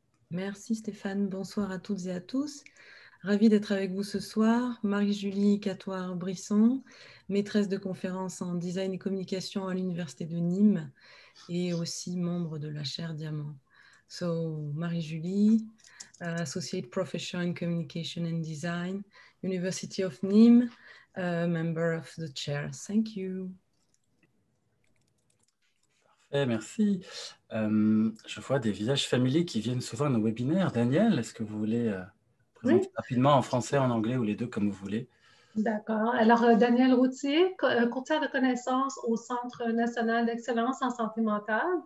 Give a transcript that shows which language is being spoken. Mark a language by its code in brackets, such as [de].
[fr] Merci Stéphane, bonsoir à toutes et à tous. Ravie d'être avec vous ce soir, Marie-Julie Catoire-Brisson, maîtresse de conférence en design et communication à l'Université de Nîmes et aussi membre de la chaire Diamant. [en] So, Marie-Julie, Associate Professor in Communication and Design, University of Nîmes, member of the chair. Thank you. [fr] Parfait, merci. Je vois des visages familiers qui viennent souvent à nos webinaires. Daniel, est-ce que vous voulez présenter rapidement en français, en anglais ou les deux comme vous voulez? D'accord. Alors, Daniel Routier, courtière de connaissances au Centre national d'excellence en santé mentale.